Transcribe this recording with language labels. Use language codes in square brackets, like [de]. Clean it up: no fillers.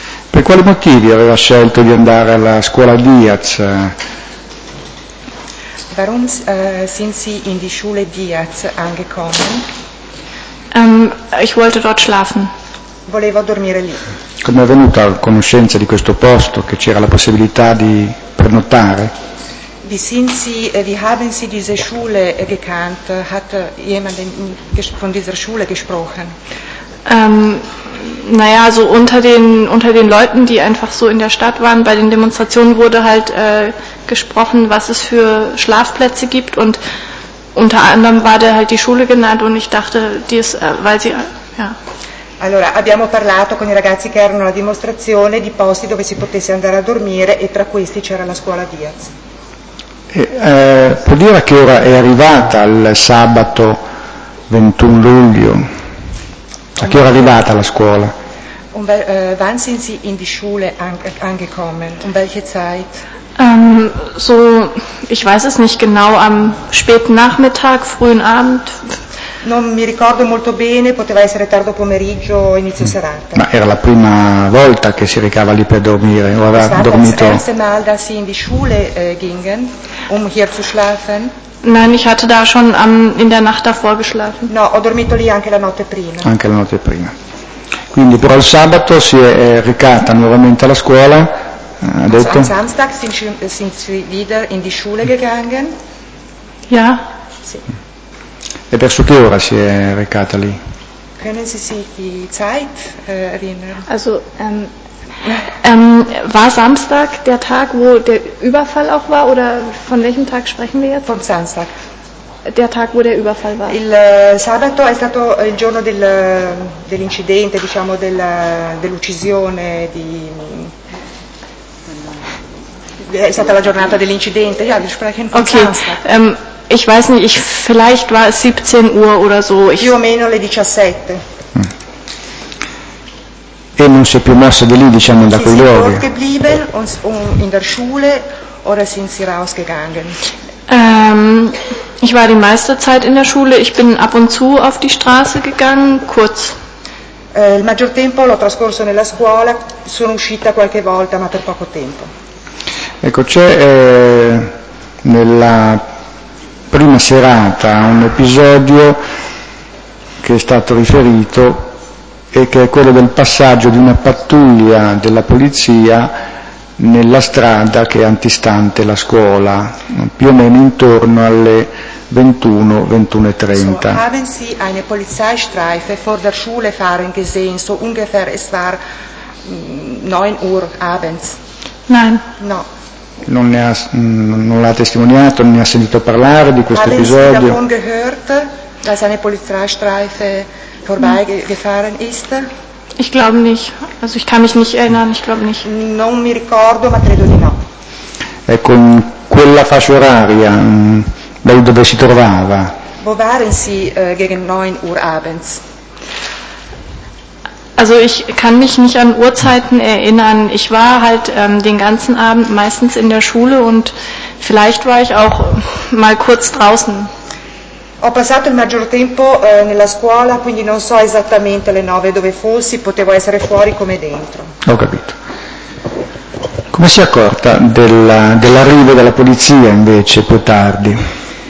[it] Per quali motivi aveva scelto di andare alla scuola Diaz? [de] Warum sind Sie in die Schule Diaz angekommen? Ich wollte dort schlafen. [it] Volevo dormire lì. Come è venuta a conoscenza di questo posto, che c'era la possibilità di prenotare? [de] Wie haben Sie diese Schule gekannt? Hat jemand von dieser Schule gesprochen? Naja, so unter den Leuten, die einfach so in der Stadt waren, bei den Demonstrationen wurde halt gesprochen, was es für Schlafplätze gibt. Und unter anderem war da halt die Schule genannt und ich dachte, die ist, weil sie, ja. [it] Allora, abbiamo parlato con i ragazzi che erano alla dimostrazione di posti dove si potesse andare a dormire e tra questi c'era la scuola Diaz. Può dire a che ora è arrivata il sabato 21 luglio? A che ora è arrivata la scuola? [de] Wann sind Sie in die Schule angekommen? Um welche Zeit? So, ich weiß es nicht genau, am späten Nachmittag, frühen Abend. [it] Non mi ricordo molto bene, poteva essere tardo pomeriggio o inizio serata. Ma era la prima volta che si recava lì per dormire, o aveva dormito? [de] Das erste Mal, dass Sie in die Schule gingen, um hier zu schlafen. Nein, ich hatte da schon in der Nacht davor geschlafen. [it] No, ho dormito lì anche la notte prima. Anche la notte prima. Quindi però il sabato si è recata nuovamente alla scuola, ha detto? [de] Also, am Samstag sind Sie wieder in die Schule gegangen. Ja. [it] Sì. E verso che ora si è recata lì? [de] Können Sie sich die Zeit erinnern? Also, war Samstag der Tag, wo der Überfall auch war? Oder von welchem Tag sprechen wir jetzt? Vom Samstag. Der Tag, wo der Überfall war. [it] Il sabato è stato il giorno dell'incidente, diciamo, dell'uccisione di... È stata la giornata dell'incidente, [de] ja, wir sprechen vom okay. Samstag. Ich weiß nicht, ich, vielleicht war es 17 Uhr oder so. [it] Più o meno le 17. E non si è più mosso da lì, diciamo, da quei luoghi. [de] Sie sind geblieben in der Schule oder sind Sie rausgegangen? Ich war die meiste Zeit in der Schule. Ich bin ab und zu auf die Straße gegangen, kurz. [it] Il maggior tempo l'ho trascorso nella scuola. Sono uscita qualche volta, ma per poco tempo. Ecco, c'è nella prima serata un episodio che è stato riferito e che è quello del passaggio di una pattuglia della polizia nella strada che è antistante la scuola, più o meno intorno alle 21:30. [de] So, haben Sie eine Polizeistreife vor der Schule fahren gesehen, so ungefähr es war 9 Uhr abends? Nein. [it] No. Non ne ha, non l'ha testimoniato, non ne ha sentito parlare di questo episodio. [de] Haben Sie davon gehört, dass eine Polizeistreife vorbeigefahren ist? Ich glaube nicht. Also ich kann mich nicht erinnern, ich glaube nicht. [it] Non mi ricordo, ma credo di no. Ecco, in quella fascia oraria, da dove si trovava? [de] Wo waren Sie gegen 9 Uhr abends? Also ich kann mich nicht an Uhrzeiten erinnern. Ich war halt den ganzen Abend meistens in der Schule und vielleicht war ich auch mal kurz draußen. [it] Ho passato il maggior tempo nella scuola, quindi non so esattamente le nove dove fossi, potevo essere fuori come dentro. Ho capito. Come si è accorta dell'arrivo della polizia invece più tardi?